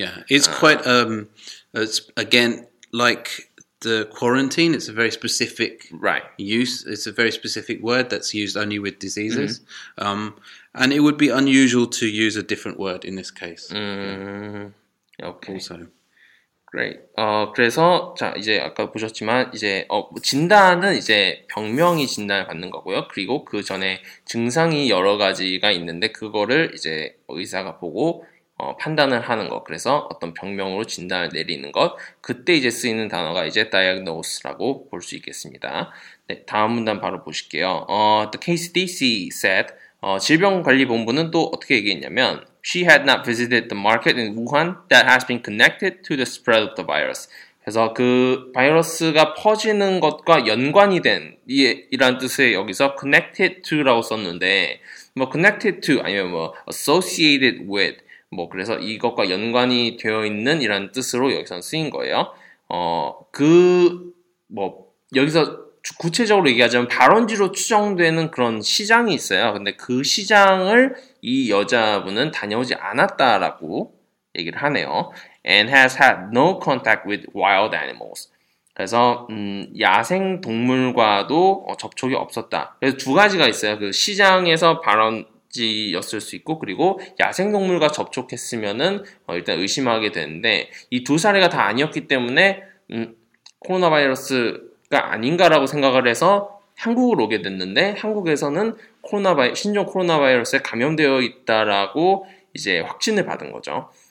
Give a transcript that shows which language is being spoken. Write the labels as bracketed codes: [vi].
[en] Yeah, it's quite it's again like the quarantine. It's a very specific use. It's a very specific word that's used only with diseases. Mm-hmm. And it would be unusual to use a different word in this case. Okay. Also. Great. [ko] 그래서 자 이제 아까 보셨지만 이제 진단은 이제 병명이 진단을 받는 거고요. 그리고 그 전에 증상이 여러 가지가 있는데 그거를 이제 의사가 보고 판단을 하는 것. 그래서 어떤 병명으로 진단을 내리는 것. 그때 이제 쓰이는 단어가 이제 diagnose라고 볼 수 있겠습니다. 네, 다음 문단 바로 보실게요. [en] The KCDC said [ko] 질병관리본부는 또 어떻게 얘기했냐면 [en] She had not visited the market in Wuhan that has been connected to the spread of the virus. [ko] 그래서 그 바이러스가 퍼지는 것과 연관이 된 이란 뜻의 여기서 [en] connected to [ko] 라고 썼는데 뭐 connected to 아니면 뭐 [en] associated with [ko] 뭐 그래서 이것과 연관이 되어 있는 이란 뜻으로 여기서 쓰인 거예요. 그 뭐 여기서 구체적으로 얘기하자면 발원지로 추정되는 그런 시장이 있어요. 근데 그 시장을 이 여자분은 다녀오지 않았다라고 얘기를 하네요. [en] And has had no contact with wild animals. [ko] 그래서 야생 동물과도 접촉이 없었다. 그래서 두 가지가 있어요. 그 시장에서 발원지였을 수 있고 그리고 야생 동물과 접촉했으면은 일단 의심하게 되는데 이 두 사례가 다 아니었기 때문에 코로나 바이러스 아닌가라고 생각을 해서 한국으로 오게 됐는데 한국에서는 신종 코로나 바이러스에 감염되어 있다라고 이제 확진을 받은 거죠.